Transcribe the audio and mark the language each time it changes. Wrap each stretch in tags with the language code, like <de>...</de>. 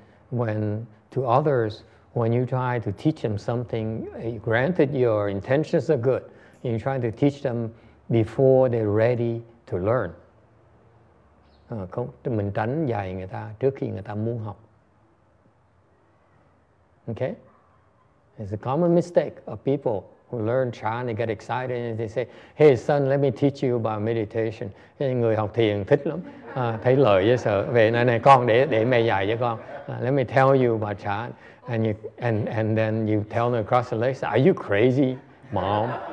<en>When to others, when you try to teach them something, granted your intentions are good, you're trying to teach them before they're ready to learn.</en> <vi>Mình tránh dạy người ta trước khi người ta muốn học.</vi> <en>Okay? It's a common mistake of people who learn chan, they get excited and they say, "Hey son, let me teach you about meditation."</en> <vi>Người học thiền thích lắm, thấy lợi với sợ. Về này con để mẹ dạy cho con.</vi> <en>Let me tell you about chan, and then you tell them across the lake, "Are you crazy, mom?"</en>